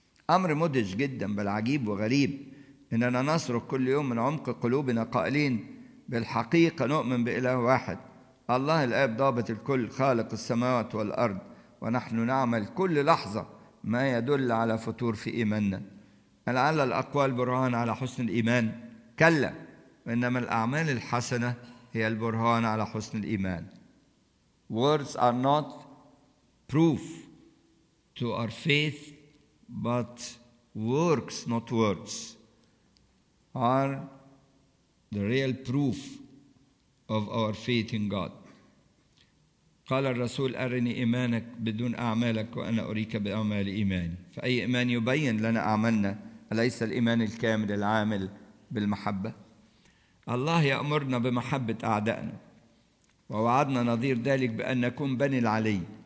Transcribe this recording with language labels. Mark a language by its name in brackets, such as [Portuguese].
[Arabic] أمر مدهش جدا بل عجيب وغريب إننا نصرخ كل يوم من عمق قلوبنا قائلين: بالحقيقة نؤمن بإله واحد، الله الآب ضابط الكل، خالق السماوات والأرض، ونحن نعمل كل لحظة ما يدل على فتور في إيماننا. لعل الأقوال برهان على حسن الإيمان؟ كلا، وإنما الأعمال الحسنة هي البرهان على حسن الإيمان. [English] Words are not proof to our faith, but works, not words, are the real proof of our faith in God. [Arabic] قال الرسول أرني إيمانك بدون أعمالك وأنا أريك بأعمال إيماني. فأي إيمان يبين لنا أعمالنا؟ أليس الإيمان الكامل العامل بالمحبة؟ الله يأمرنا بمحبة أعدائنا، ووعدنا نظير ذلك بأن نكون بني العلي.